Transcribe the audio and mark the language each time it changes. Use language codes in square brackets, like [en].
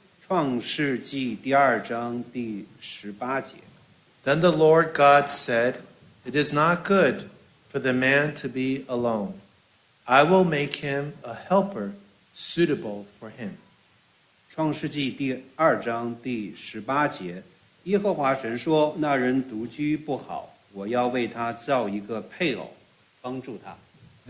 [zh] 创世纪第二章第十八节。 [en] Then the Lord God said, It is not good for the man to be alone. I will make him a helper suitable for him. [zh] 创世纪第二章第十八节，耶和华神说：“那人独居不好，我要为他造一个配偶，帮助他。”